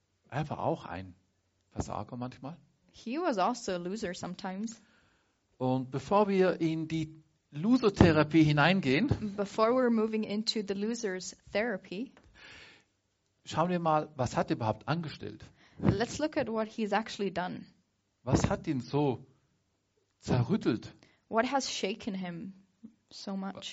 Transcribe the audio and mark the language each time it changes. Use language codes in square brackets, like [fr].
[de] Er war auch ein Versager manchmal. [en] He was also a loser sometimes. [de] Und bevor wir in die Loser-Therapie hineingehen, [en] before we're moving into the loser's therapy, [de] schauen wir mal, was hat er überhaupt angestellt? [en] Let's look at what he's actually done. [de] Was hat ihn so zerrüttelt? [en] What has shaken him so much?